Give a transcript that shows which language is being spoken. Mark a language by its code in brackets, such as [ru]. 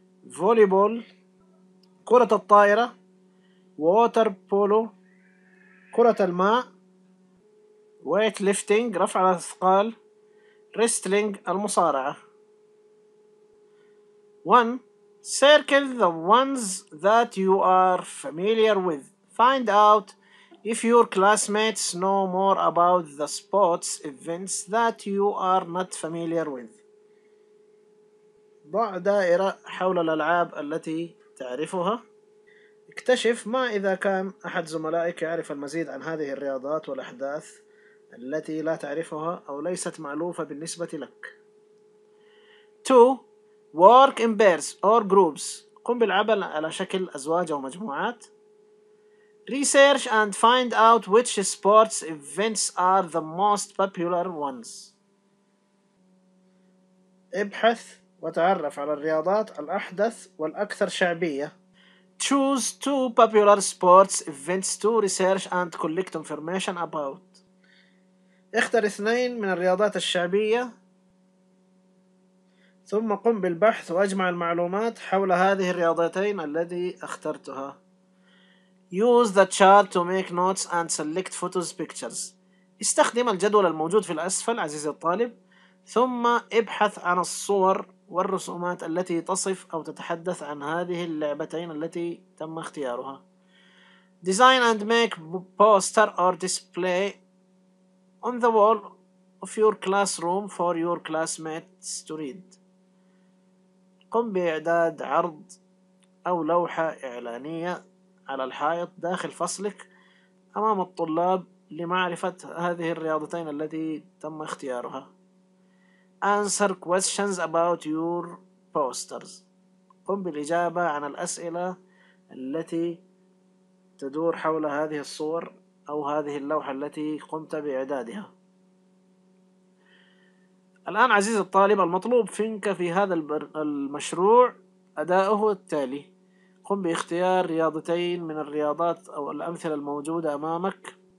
[ar] فوليبول كرة الطائرة, ووتر بولو كرة الماء, ويت ليفتينج رفع الأثقال, ريستلينج المصارعة. 1. [en] Circle the ones that you are familiar with. Find out if your classmates know more about the sports events that you are not familiar with. [ar] ضع دائرة حول الألعاب التي تعرفها. اكتشف ما إذا كان أحد زملائك يعرف المزيد عن هذه الرياضات والأحداث التي لا تعرفها أو ليست معلومة بالنسبة لك. [en] 2. Work in pairs or groups. [ar] قم بالعمل على شكل أزواج أو مجموعات. [en] Research and find out which sports events are the most popular ones. [ar] ابحث وتعرف على الرياضات الأحدث والأكثر شعبية. [en] Choose 2 popular sports events to research and collect information about. [ar] اختر 2 من الرياضات الشعبية ثم قم بالبحث وأجمع المعلومات حول هذه الرياضتين التي اخترتها. [en] Use the chart to make notes and select photos pictures. [ar] استخدم الجدول الموجود في الأسفل عزيزي الطالب ثم ابحث عن الصور والرسومات التي تصف أو تتحدث عن هذه اللعبتين التي تم اختيارها. [en] Design and make poster or display on the wall of your classroom for your classmates to read. [ar] قم بإعداد عرض أو لوحة إعلانية على الحائط داخل فصلك أمام الطلاب لمعرفة هذه الرياضتين التي تم اختيارها. [en] Answer questions about your posters. [ar] قم بالإجابة عن الأسئلة التي تدور حول هذه الصور أو هذه اللوحة التي قمت بإعدادها. الآن عزيز الطالب، المطلوب منك في هذا المشروع أداؤه التالي: قم باختيار رياضتين من الرياضات أو الأمثلة الموجودة أمامك،